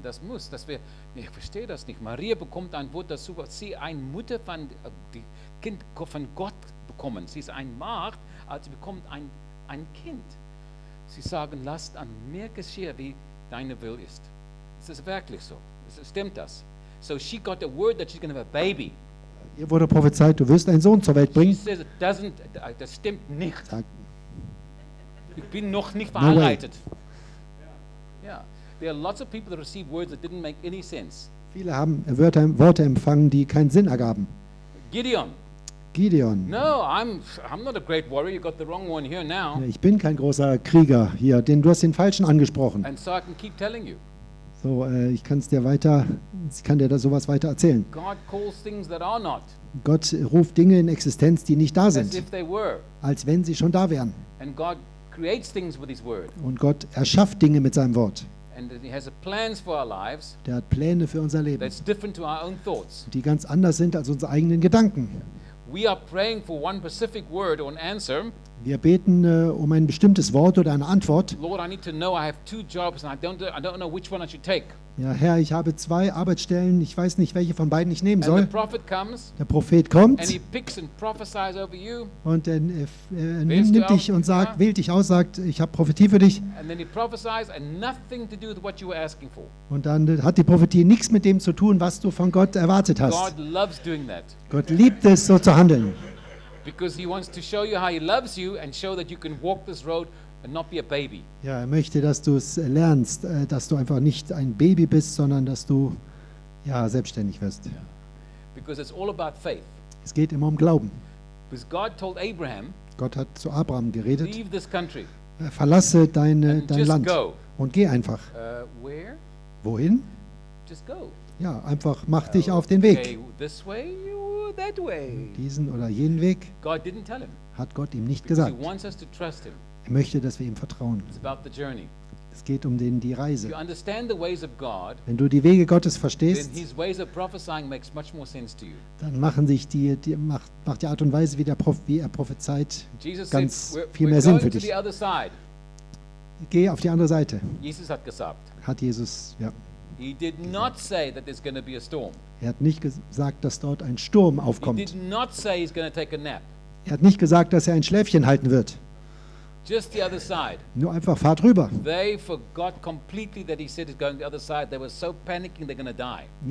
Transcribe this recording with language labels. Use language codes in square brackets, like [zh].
[de] Das muss, dass wir, ich verstehe das nicht. Maria bekommt ein Wort dazu, was sie eine Mutter von, die Kind von Gott bekommen. Sie ist ein Magd, also sie bekommt ein Kind. Sie sagen, lasst an mir geschehen, wie deine Will ist. Es ist wirklich so. Stimmt das? [en] So she got the word that she's going to have a baby. [de] Ihr wurde prophezeit, du wirst einen Sohn zur Welt bringen. [en] She says, doesn't, [de] das stimmt nicht. Ich bin noch nicht verheiratet. [en] No, yeah. There are lots of people that receive words that didn't make any sense. [de] Viele haben Worte empfangen, die keinen Sinn ergaben. [en] Gideon. No, I'm not a great warrior. You got the wrong one here now. [de] Ich bin kein großer Krieger hier, denn du hast den falschen angesprochen. [en] And so I can keep telling you. [de] So, ich kann es dir weiter, ich kann dir da sowas weiter erzählen. [en] God calls things that are not. [de] Gott ruft Dinge in Existenz, die nicht da sind. [en] As if they were. [de] Als wenn sie schon da wären. [en] And God creates things with his word. [de] Und Gott erschafft Dinge mit seinem Wort. [en] And he has plans for our lives. [de] Der hat Pläne für unser Leben. [en] That's different to our own thoughts. [de] Die ganz anders sind als unsere eigenen Gedanken. [en] We are praying for one specific word or an answer. [de] Wir beten um ein bestimmtes Wort oder eine Antwort. [en] Lord, I need to know I have two jobs and I don't know which one I should take. [de] Ja, Herr, ich habe zwei Arbeitsstellen, ich weiß nicht, welche von beiden ich nehmen soll. [en] And the prophet comes, [de] der Prophet kommt [en] and he picks and prophesies over you. [de] Und nimmt dich und sagt, wählt dich aus, sagt, ich habe Prophetie für dich. [en] And then he prophesies and nothing to do with what you were asking for. [de] Und dann hat die Prophetie nichts mit dem zu tun, was du von Gott erwartet hast. [en] God loves doing that. [de] Gott liebt es, so zu handeln. [en] Because he wants to show you how he loves you and show that you can walk this road and not be a baby. [de] Ja, er möchte, dass du es lernst, dass du einfach nicht ein Baby bist, sondern dass du ja selbstständig wirst. [en] Because it's all about faith. [de] Es geht immer um Glauben. [en] Because God told Abraham, [de] Gott hat zu Abraham geredet. [en] Leave this country. [de] Verlasse dein Land [en] go. [de] Und geh einfach. [en] Where? [de] Wohin? [en] Just go. [de] Ja, einfach mach dich auf den Weg. [en] Okay, this way or that way. [de] Diesen oder jenen Weg. [en] God didn't tell him. [de] Hat Gott ihm nicht gesagt. [en] He wants us to trust him. [de] Er möchte, dass wir ihm vertrauen. [en] It's about the journey. [de] Es geht um die Reise. [en] If you understand the ways of God, [de] wenn du die Wege Gottes verstehst, [en] then his ways of prophesying makes much more sense to you. [de] Dann machen sich macht die Art und Weise, wie er prophezeit, [en] Jesus [de] ganz [en] said, [de] viel mehr Sinn für dich. [en] To the other side. [de] Geh auf die andere Seite. Jesus hat gesagt. Hat Jesus, ja. [en] He did not say that there's going to be a storm. [de] Er hat nicht gesagt, dass dort ein Sturm aufkommt. [en] He did not say he's going to take a nap. [de] Er hat nicht gesagt, dass er ein Schläfchen halten wird. [en] Just the other side. [de] Nur einfach fahrt rüber. [en] They forgot completely that he said he's going to the other side. They were so panicking they're going to die.